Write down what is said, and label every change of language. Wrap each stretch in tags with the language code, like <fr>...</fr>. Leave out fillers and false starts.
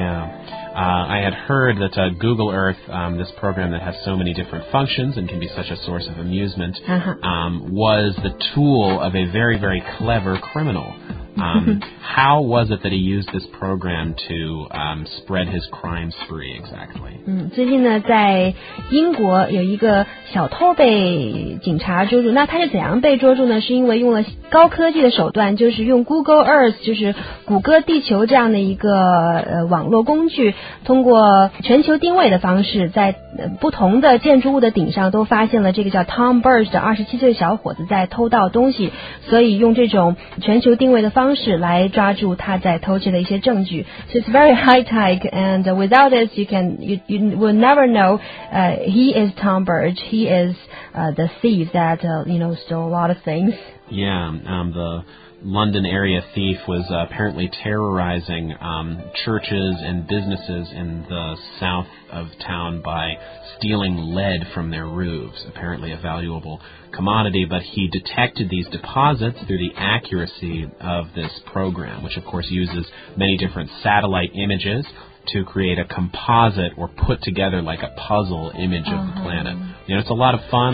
<en>I had heard that Google Earth, this program that has so many different functions and can be such a source of amusement, was the tool of a very, very clever criminal. how was it that he used this program to spread his crime spree exactly?</en> <zh>最近呢，在英国有一个小偷被警察捉住，那他是怎样被捉住呢？是因为用了高科技的手段，就是用 Google Earth， 就是谷歌地球这样的一个网络工具，通过全球定位的方式，在不同的建筑物的顶上都发现了这个叫 Tom Burge 的27岁小伙子在偷盗东西，所以用这种全球定位的方式来抓住他在偷窃的一些证据。</zh> <en>So it's very high tech, and without this, you will never know. He is Tom Burge. He is the thief that stole a lot of things. Yeah, the London area thief was apparently terrorizing churches and businesses in the south of town by stealing lead from their roofs, apparently a valuable commodity, but he detected these deposits through the accuracy of this program, which of course uses many different satellite images to create a composite or put together like a puzzle image of the planet. It's a lot of fun.</en>